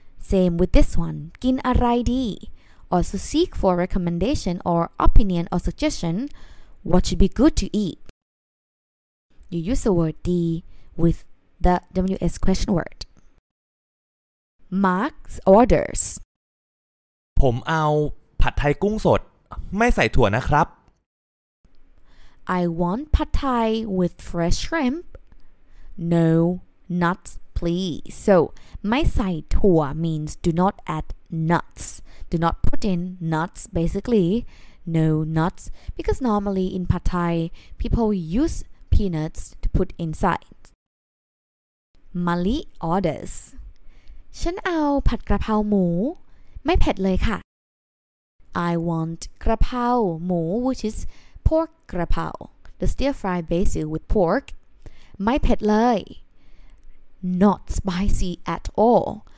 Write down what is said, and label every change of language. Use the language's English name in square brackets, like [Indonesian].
[English] Same with this one, [Thai] กินอะไรดี [English] also seek for a recommendation or opinion or suggestion what should be good to eat. You use the word D with the WS question word. Mark orders. [Thai] ผมเอาผัดไทยกุ้งสดไม่ใส่ถั่วนะครับ [English] I want ผัดไทย with fresh shrimp. No, not please. So, [Thai] ไม่ใส่ถั่ว [English] means do not add nuts. Do not put in nuts basically. No nuts. Because normally in ผัดไทย, people usePeanuts to put inside. Mali orders. [Thai] ฉันเอาผัดกระเพราหมูไม่เผ็ดเลยค่ะ [English] I want กระเพราหมู which is pork กระเพรา the stir fry basil with pork [Thai] ไม่เผ็ดเลย [English] not spicy at all.